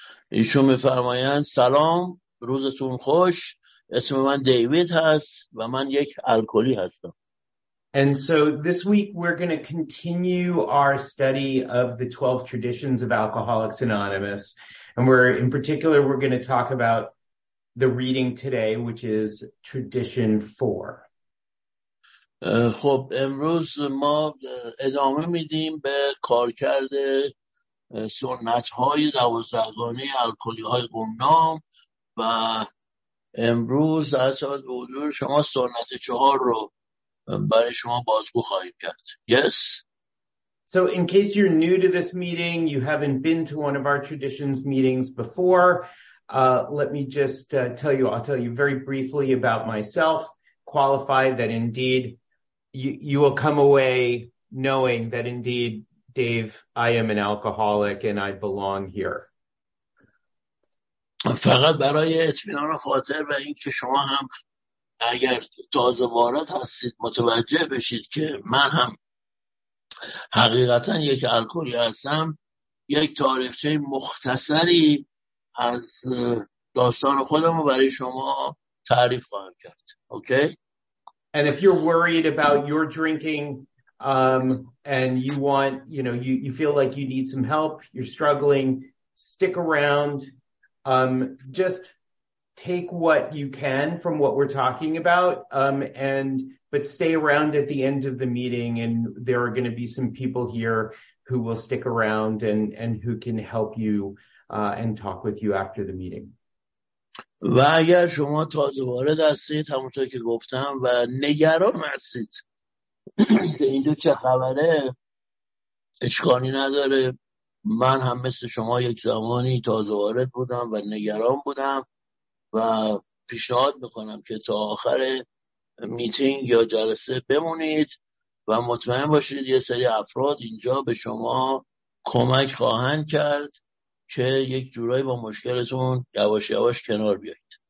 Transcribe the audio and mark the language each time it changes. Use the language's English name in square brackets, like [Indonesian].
[Persian] ایشون میفرمایند سلام، روزتون خوش. اسم من دیوید هست و من یک الکلی هستم. [English] And so this week we're going to continue our study of the 12 traditions of Alcoholics Anonymous. And we're going to talk about the reading today, which is tradition 4. [Persian] خب امروز ما ادامه میدیم به کارکرد سنت‌های 12 گانه الکلی‌های گمنام و امروز اساساً به حضور شما سنت 4 رو برای شما بازگو خواهیم کرد. [English] Yes. So in case you're new to this meeting, you haven't been to one of our traditions meetings before, let me just tell you very briefly about myself, qualify that indeed you will come away knowing that indeed, Dave, I am an alcoholic and I belong here. [Persian] فقط برای اطمینان خاطر و اینکه شما هم اگر تازه وارد هستید متوجه بشید که من هم حقیقتا یک الکلی هستم، یک تاریخچه مختصری از داستان خودم رو برای شما تعریف خواهم کرد. اوکی؟ [English] And if you're worried about your drinking and you want, you know, you feel like you need some help, you're struggling, stick around. Just take what you can from what we're talking about, but stay around at the end of the meeting, and there are going to be some people here who will stick around and who can help you and talk with you after the meeting. [Persian] و اگر شما تازه وارد هستید، همونطور که گفتم، و نگران هستید که اینجا چه خبره، اشکالی نداره. من هم مثل شما یک زمانی تازه وارد بودم و نگران بودم و پیشنهاد میکنم که تا آخر میتینگ یا جلسه بمونید و مطمئن باشید یه سری افراد اینجا به شما کمک خواهند کرد که یک جورایی با مشکلتون یواش یواش کنار بیایید.